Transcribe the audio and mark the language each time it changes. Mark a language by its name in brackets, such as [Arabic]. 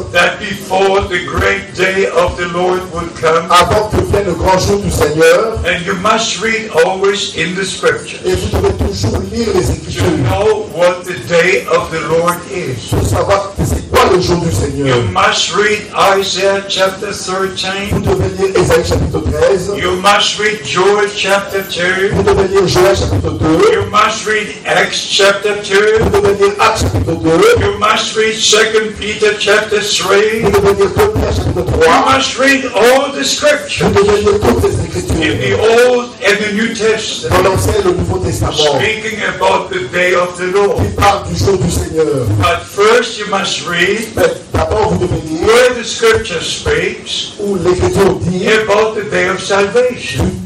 [English] That before the great day of the Lord would come. [French] Avant que vienne le grand jour du Seigneur. [English] And you must read always in the scriptures. [French] Et vous devez toujours lire les Écritures. [English] To know what the day of the Lord is. [French] Pour savoir c'est quoi le jour du Seigneur. [English] You must read Isaiah chapter 13. [French] Vous devez lire Ésaïe chapitre 13. [English] You must read Joel chapter 2. [French] Vous devez lire Joël chapitre 2. [English] You must read Acts chapter 2. [French] Vous devez lire Acts chapitre 2. [English] You must read 2 Peter chapter 3. [French] Vous devez lire 2 Pierre chapitre 3. [English] You must read all the scriptures. [French] Vous devez lire toutes les Écritures. [English] In the Old and the New Testament. [French] Dans l'Ancien et le Nouveau Testament. [English] Speaking about the day of the Lord. [French] Qui parle du jour du Seigneur. [English] But first you must read. [French] Mais d'abord vous devez lire. [English] Where the scripture speaks. [French] Où l'Écriture dit. [English] About the day of salvation.